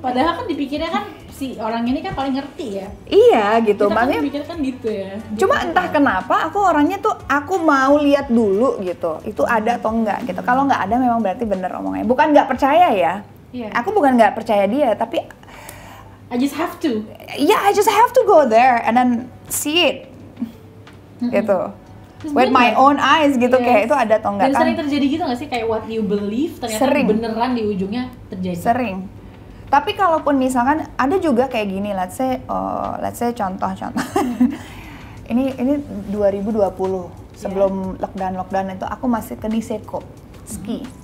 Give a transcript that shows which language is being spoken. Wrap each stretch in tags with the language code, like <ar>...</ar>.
<id>Padahal kan dipikirnya kan si orang ini kan paling ngerti ya. Iya gitu, kita makanya. Kita kan dipikirkan gitu ya. Gitu cuma apa? Entah kenapa aku orangnya tuh aku mau lihat dulu gitu, itu ada atau enggak gitu. Kalau enggak ada memang berarti bener omongnya. Bukan enggak percaya ya. Yeah. Aku bukan enggak percaya dia, tapi</id> <en>I just have to. Yeah, I just have to go there and then see it. Mm-hmm.</en> <id>Gitu.</id> <en>with my own eyes gitu, yes.</en> <id>Kayak itu ada atau enggak. Dan sering terjadi gitu enggak sih, kayak</id> <en>what you believe</en> <id>ternyata sering. Beneran di ujungnya terjadi. Sering. Tapi kalaupun misalkan ada juga kayak gini,</id> <en>let's say</en> <id>contoh-contoh. ini 2020 sebelum lockdown itu aku masih ke Niseko ski.</id>